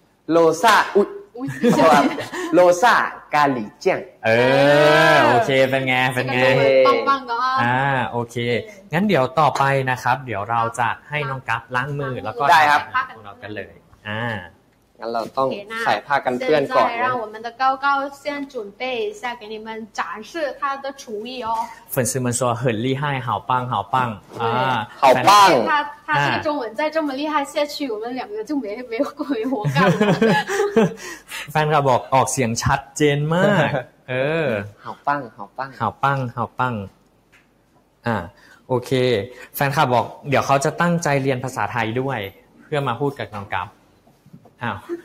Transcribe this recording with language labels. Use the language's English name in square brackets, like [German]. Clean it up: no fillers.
[Thai] โรซ่าอุ๊ยโรซ่ากาหลีเจียง โอเคเป็นไงเป็นไง บ้างๆเน า ะ โอเคงั้นเดี๋ยวต่อไปนะครับเดี๋ยวเราจะให้น้องกัฟล้างมือแล้วก็ ได้ครับ ของเรากันเลย งั้นเราต้องใส่ผ้ากันเปื้อนก่อน [Chinese] นะ让我们的高高先准备一下给你们展示他的厨艺哦粉丝们说很厉害好棒好棒好棒他这个中文再这么厉害下去我们两个就没有鬼活干了 [Thai] แฟนครับบอกออกเสียงชัดเจนมาก [Chinese] 好棒好棒好棒好棒 [Thai] โอเคแฟนคลับบอกเดี๋ยวเขาจะตั้งใจเรียนภาษาไทยด้วยเพื่อมาพูดกับน้องกัฟอ้าว